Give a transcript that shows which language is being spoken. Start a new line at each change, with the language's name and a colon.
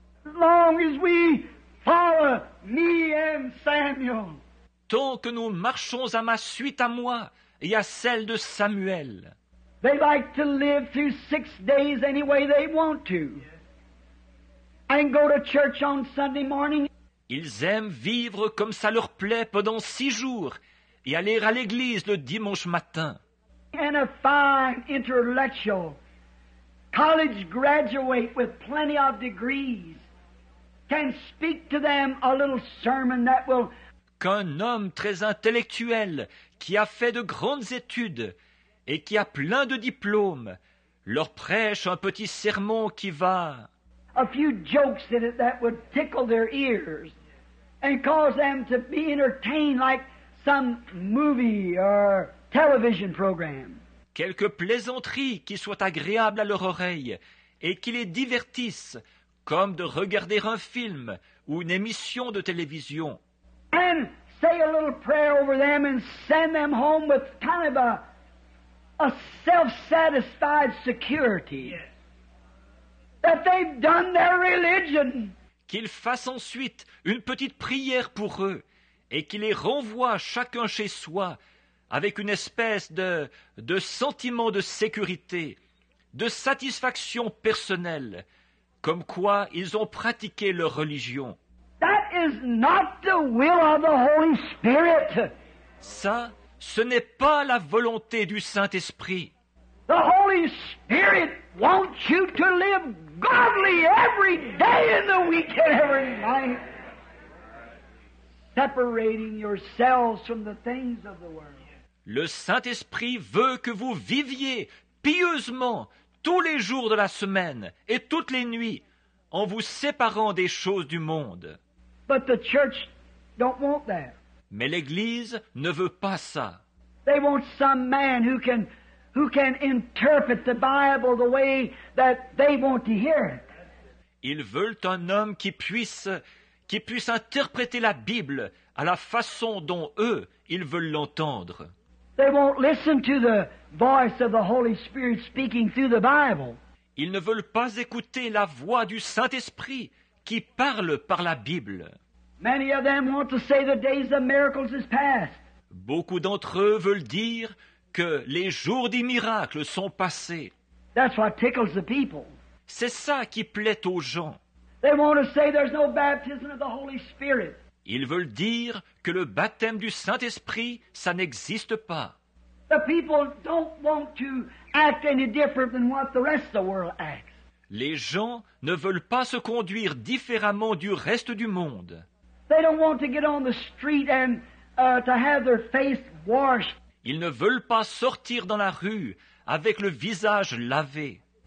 English: As long as we follow me and Samuel.
French: Tant que nous marchons à ma suite, à moi et à celle de Samuel.
English: They like to live through 6 days any way they want to. And go to church on Sunday morning.
French: Ils aiment vivre comme ça leur plaît pendant 6 jours et aller à l'église le dimanche matin.
English: And a fine intellectual college graduate with plenty of degrees can speak to them a little sermon that will.
French: Qu'un homme très intellectuel qui a fait de grandes études et qui a plein de diplômes leur prêche un petit sermon qui va.
English: A few jokes in it that would tickle their ears and cause them to be entertained like some movie or television program.
French: Quelques plaisanteries qui soient agréables à leur oreille et qui les divertissent, comme de regarder un film ou une émission de télévision.
English: And say a little prayer over them and send them home with kind of a self-satisfied security. Yes. That they've done their religion.
French: Qu'ils fassent ensuite une petite prière pour eux et qu'ils les renvoient chacun chez soi avec une espèce de sentiment de sécurité, de satisfaction personnelle, comme quoi ils ont pratiqué leur religion.
English: That is not the will of the Holy Spirit.
French: Ça, ce n'est pas la volonté du Saint-Esprit.
English: The Holy Spirit wants you to live godly every day in the week and every night, separating yourselves from the things of the world.
French: Le Saint-Esprit veut que vous viviez pieusement tous les jours de la semaine et toutes les nuits en vous séparant des choses du monde.
English: But the church don't want that.
French: Mais l'Église ne veut pas ça.
English: They want some man who can interpret the Bible the way that they want to hear it.
French: Ils veulent un homme qui puisse interpréter la Bible à la façon dont eux ils veulent l'entendre.
English: They won't listen to the voice of the Holy Spirit speaking through the Bible.
French: Ils ne veulent pas écouter la voix du Saint-Esprit qui parle par la Bible.
English: Many of them want to say the days of miracles is past.
French: Beaucoup d'entre eux veulent dire que les jours des miracles sont passés.
English: That's what tickles the people.
French: C'est ça qui plaît aux gens.
English: They want to say there's no baptism of the Holy Spirit.
French: Ils veulent dire que le baptême du Saint-Esprit, ça n'existe pas.
English: The people don't want to act any different than what the rest of the world acts.
French: Les gens ne veulent pas se conduire différemment du reste du monde.
English: They don't want to get on the street and to have their face washed.
French: Ils ne veulent pas sortir dans la rue avec le visage lavé.